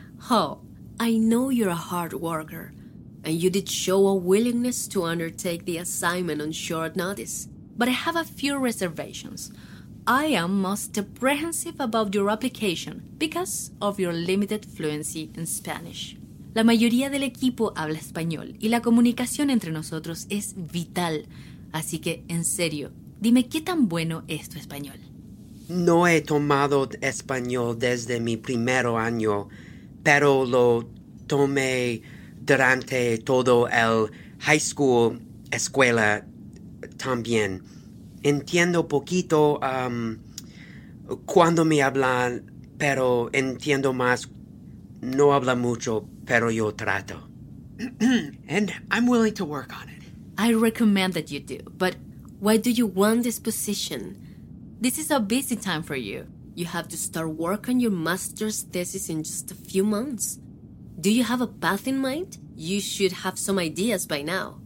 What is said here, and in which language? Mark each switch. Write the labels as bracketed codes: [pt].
[en] Oh, I know you're a hard worker, and you did show a willingness to undertake the assignment on short notice. But I have a few reservations. I am most apprehensive about your application because of your limited fluency in Spanish. [es] La mayoría del equipo habla español y la comunicación entre nosotros es vital. Así que, en serio, dime qué tan bueno es tu español. No he tomado español desde mi primer año, pero lo tomé durante todo el high school, escuela también. Entiendo poquito cuando me hablan, pero entiendo más. No habla mucho, pero yo trato. [en] And I'm willing to work on it. I recommend that you do, but why do you want this position? This is a busy time for you. You have to start work on your master's thesis in just a few months. Do you have a path in mind? You should have some ideas by now.